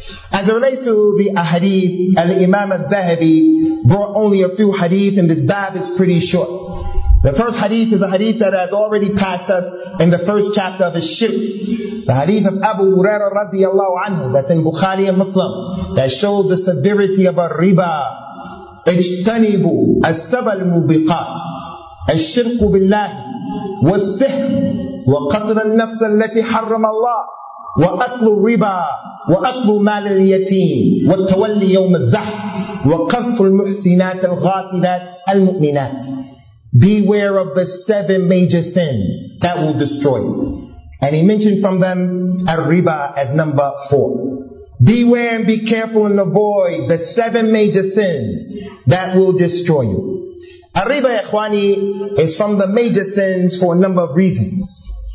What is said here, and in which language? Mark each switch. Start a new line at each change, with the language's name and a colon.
English: As it relates to the ahadith, Al-Imam al-Dhahabi brought only a few hadith, and this bab is pretty short. The first hadith is a hadith that has already passed us in the first chapter of the shirk. The hadith of Abu Huraira radiallahu anhu, that's in Bukhari and Muslim, that shows the severity of al-riba.
Arabic: اجتنبوا السبع المبقات الشرك بالله والسحر وقتل النفس التي حرم الله وأكل الربا وأكل مال اليتيم والتولي يوم الزحف وقذف المحسنات الغافلات المؤمنات.
English: Beware of the seven major sins that will destroy you. And he mentioned from them al-riba as number four. Beware and be careful and avoid the seven major sins that will destroy you. Al-riba, ikhwani, is from the major sins for a number of reasons.